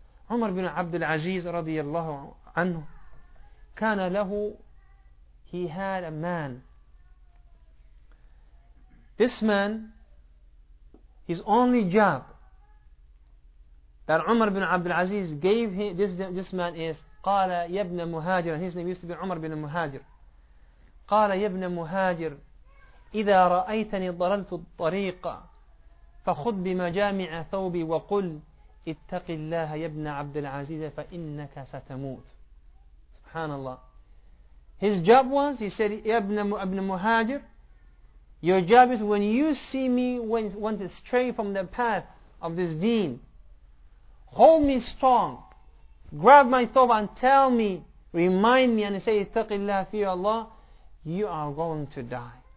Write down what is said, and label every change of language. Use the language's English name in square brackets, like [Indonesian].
[English] Umar bin Abdul Aziz radiyallahu anhu, [Arabic] kana lahu, [English] he had a man. This man, his only job that Umar bin Abdul Aziz gave him, this man is, [Arabic] qala yabna muhajir, [English] and his name used to be Umar bin Muhajir. [Arabic] Qala yabna muhajir, idha ra'aytani dhalaltu tariqa, فخذ بمجامع ثوبي وقل اتق الله يا ابن عبد العزيز فإنك ستموت. سبحان الله. [English] His job was, he said, ابن مهاجر, your job is when you see me when to stray from the path of this deen, hold me strong, grab my thawb and tell me, remind me and say [Arabic] اتق الله في الله, [English] you are going to die.